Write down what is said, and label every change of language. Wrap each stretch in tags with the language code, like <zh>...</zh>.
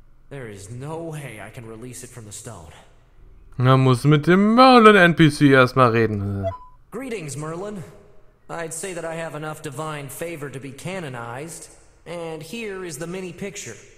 <en>There is no way I can release it from the stone.</en> <de>Na, muss mit dem Merlin NPC erstmal reden.</de> <en>Greetings, Merlin. I'd say that I have enough divine favor to be canonized, and here is the mini picture.</en>